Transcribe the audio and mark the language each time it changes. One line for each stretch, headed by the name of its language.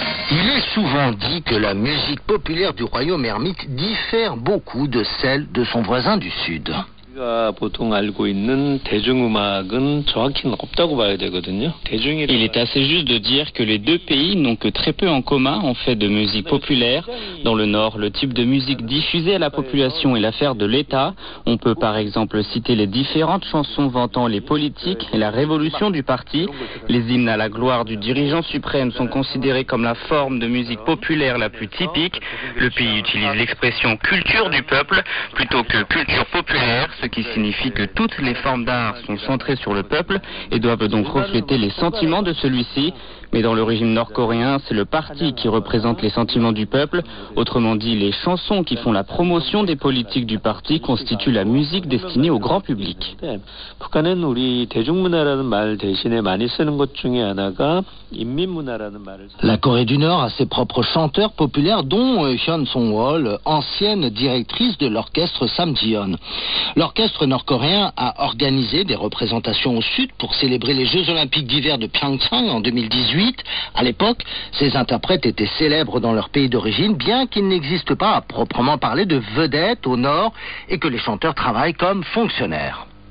French: Il est souvent dit que la musique populaire du royaume ermite diffère beaucoup de celle de son voisin du sud.
Korean: 우리가 보통 알고 있는 대중음악은 정확히는 없다고 봐야 되거든요. 대중이라.
French: Il est assez juste de dire que les deux pays n'ont que très peu en commun en fait de musique populaire. Dans le nord, le type de musique diffusée à la population est l'affaire de l'État. On peut par exemple citer les différentes chansons vantant les politiques et la révolution du parti. Les hymnes à la gloire du dirigeant suprême sont considérés comme la forme de musique populaire la plus typique. Le pays utilise l'expression culture du peuple plutôt que culture populaire, ce qui signifie que toutes les formes d'art sont centrées sur le peuple et doivent donc refléter les sentiments de celui-ci. Mais dans le régime nord-coréen, c'est le parti qui représente les sentiments du peuple. Autrement dit, les chansons qui font la promotion des politiques du parti constituent la musique destinée au grand public.
Korean: 북한은 우리 대중문화라는 말 대신에 많이 쓰는 것 중에 하나가 인민문화라는 말을.
French: La Corée du Nord a ses propres chanteurs populaires, dont Hyun Sung-wol, ancienne directrice de l'orchestre Samjiyon. L'orchestre nord-coréen a organisé des représentations au sud pour célébrer les Jeux Olympiques d'hiver de Pyeongchang en 2018. À l'époque, ces interprètes étaient célèbres dans leur pays d'origine, bien qu'ils n'existent pas à proprement parler de vedettes au nord et que les chanteurs travaillent comme fonctionnaires.